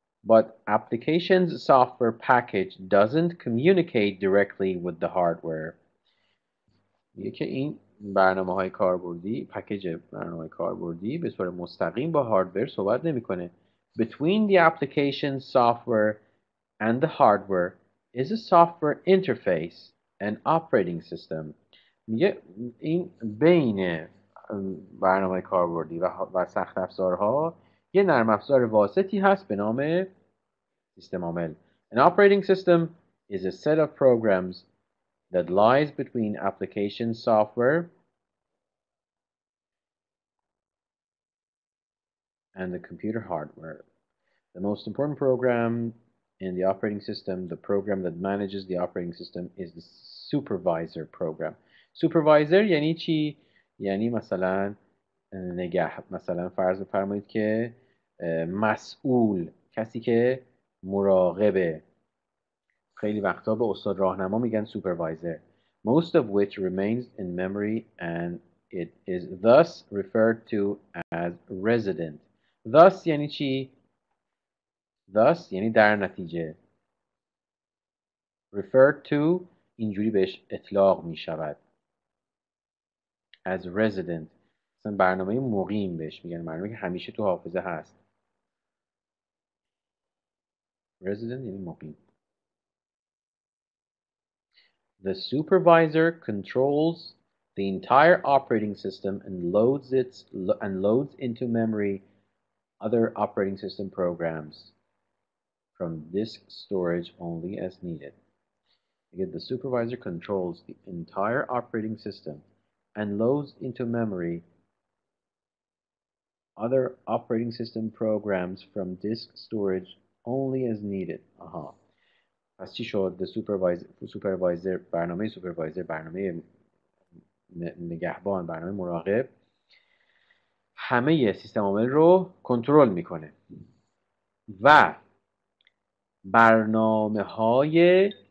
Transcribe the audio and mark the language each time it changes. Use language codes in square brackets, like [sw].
[en] But application software package doesn't communicate directly with the hardware. [fa] یکی این برنامه‌های کاربردی، پکیج برنامه‌های کاربردی به طور مستقیم با هاردویر صحبت نمی‌کنه. [en] Between the application software and the hardware is a software interface and operating system. [fa] یه این بین برنامه کاربردی و سخت افزارها یه نرم افزار واسطی هست به نام سیستم عامل. [en] An operating system is a set of programs that lies between application software and the computer hardware. The most important program in the operating system, the program that manages the operating system, is the supervisor program. Supervisor [fa] یعنی چی؟ یعنی مثلا نگه، مثلا فرض بفرمایید که مسئول، کسی که مراقبه. خیلی وقتا به استاد راهنما میگن supervisor. [en] Most of which remains in memory and it is thus referred to as resident. [fa] Thus یعنی چی؟ Thus یعنی در نتیجه. Referred to اینجوری بهش اطلاق میشود. [en] As resident. [fa] مثلا برنامه مقیم بهش میگن، برنامه که همیشه تو حافظه هست. Resident یعنی مقیم. [en] The supervisor controls the entire operating system and loads it and loads into memory other operating system programs from disk storage only as needed. Again, the supervisor controls the entire operating system and loads into memory other operating system programs from disk storage only as needed. [fa] پس چی شد؟ supervisor برنامه supervisor، برنامه نگهبان، برنامه مراقب، همه سیستم عامل رو کنترل میکنه و برنامه های